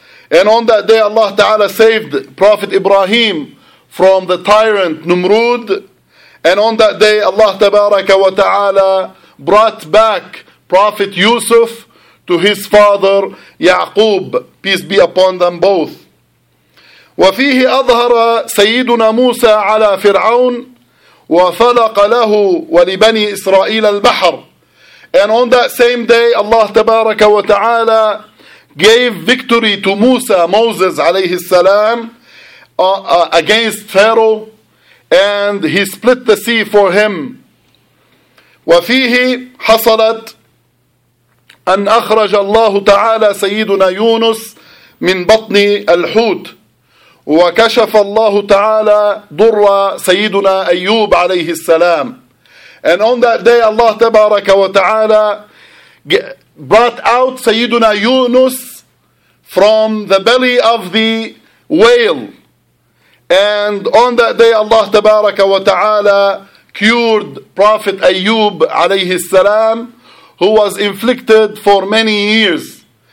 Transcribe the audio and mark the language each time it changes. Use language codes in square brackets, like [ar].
[en] And on that day, Allah Ta'ala saved Prophet Ibrahim from the tyrant Nimrud. And on that day, Allah [ar] Tabaraka wa Ta'ala [en] brought back Prophet Yusuf to his father Ya'qub, peace be upon them both. [ar] وفيه أظهر سيدنا موسى على فرعون وفلق له ولبني إسرائيل البحر. [en] And on that same day, Allah [ar] تبارك وتعالى [en] gave victory to Musa, Moses [ar] عليه السلام, [en] against Pharaoh, and he split the sea for him. [ar] وفيه حصلت أن أخرج الله تعالى سيدنا يونس من بطن الحوت وكشف الله تعالى ضر سيدنا أيوب عليه السلام. [en] And on that day Allah [ar] تبارك وتعالى [en] brought out [ar] سيدنا يونس [en] from the belly of the whale. And on that day Allah [ar] تبارك وتعالى [en] cured Prophet أيوب [ar] عليه السلام, [en] who was inflicted for many years.